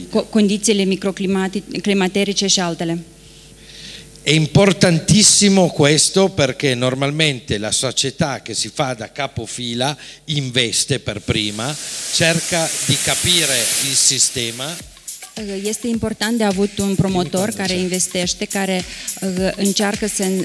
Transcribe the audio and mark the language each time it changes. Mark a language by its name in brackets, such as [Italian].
[Romanian] condițiile microclimaterice și altele. [Italian] È importantissimo questo perché normalmente la società che si fa da capofila investe per prima, cerca di capire il sistema. [Romanian] Este important de avut un promotor care investește, care încearcă să...